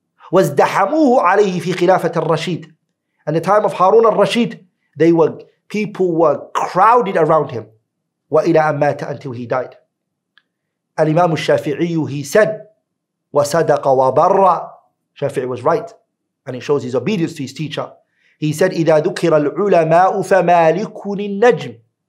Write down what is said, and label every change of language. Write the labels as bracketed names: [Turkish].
[Arabic] وازدحموه عليه في خلافة الرشيد. [English] And the time of Harun al-Rashid, they were, people were crowded around him. [Arabic] وإلى أن مات, [English] until he died. الإمام الشافعي, he said, [Arabic] وصدق وبرى. [English] Shafi'i was right. And he shows his obedience to his teacher. He said, [Arabic] إذا ذكر العلماء فمالك النجم.